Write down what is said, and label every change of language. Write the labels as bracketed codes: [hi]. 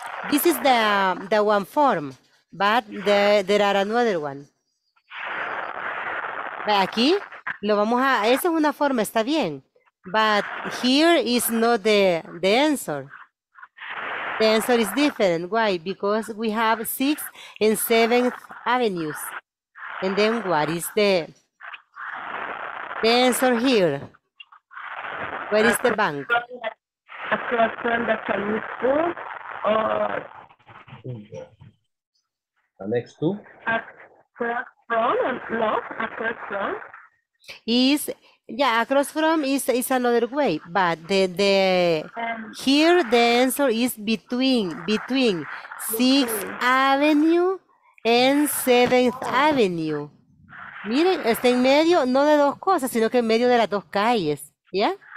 [en] This is the one form, but there are another one. [es] Aquí lo vamos a, esa es una forma, está bien. [en] But here is not the answer. The answer is different. Why? Because we have 6th and 7th Avenues. And then what is the answer here? Where is the bank? Across from the Chinese school. The next two? Across from, no, across from. Is, yeah, across from is another way, but the here the answer is between 6th Avenue and 7th Avenue. [es] Miren, está en medio, no de dos cosas, sino que en medio de las dos calles, ¿ya?